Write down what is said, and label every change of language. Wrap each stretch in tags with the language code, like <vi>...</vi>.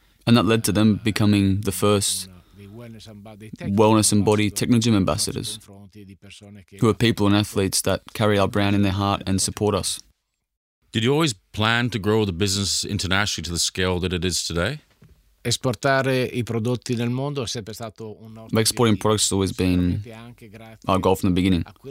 <en>And that led to them becoming the first wellness and body Technogym ambassadors, who are people and athletes that carry our brand in their heart and support us. Did you always plan to grow the business internationally to the scale that it is today?</en> <it>Esportare I prodotti nel mondo è sempre stato un nostro</it> <en>Exporting products has always been our goal from the beginning.</en>